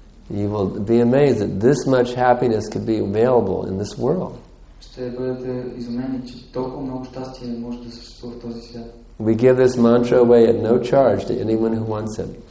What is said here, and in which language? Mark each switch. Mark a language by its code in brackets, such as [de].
[en] You will be amazed that this much happiness could be available in this world. [bg] ще бъдете изумени, че толкова много щастие може да съществува в този свят. [en] We give this mantra away at no charge to anyone who wants it.